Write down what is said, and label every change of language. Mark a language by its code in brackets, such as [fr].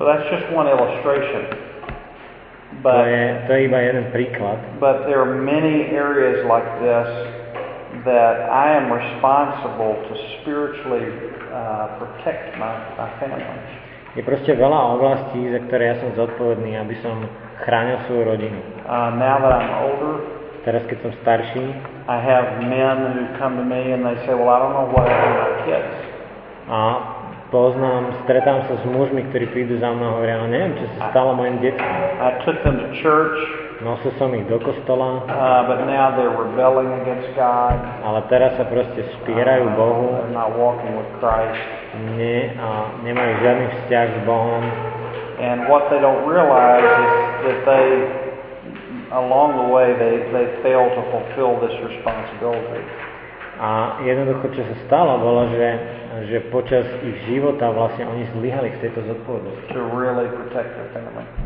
[en] So that's just one illustration. [sk] To je iba jeden príklad. [en] But there are many areas like this that I am responsible to spiritually protect my family. [sk] Je proste veľa oblastí, za ktoré ja som zodpovedný, aby som chránil svoju rodinu. [en] Now that I'm older, [sk] teraz keď som starší, [en] I have men who come to me and they say, well, I don't know what to do with my kids. [sk] A poznám, stretám sa s mužmi, ktorí prídu za mnou a hovoria, no neviem, čo sa stalo mojim deťom. [en] I took them to church. [sk] Nosil som ich do kostola. [en] But now they're rebelling against God. [sk] Ale teraz sa proste spierajú Bohu. [en] They're not walking with Christ. [sk] Nemajú žiadny vzťah s Bohom. [en] And what they don't realize is that they, along the way, they fail to fulfill this responsibility. [sk] A jednoducho, čo sa stalo, bolo, že počas ich života vlastne oni zlyhali v tejto zodpovednosti. [en] To really protect their family.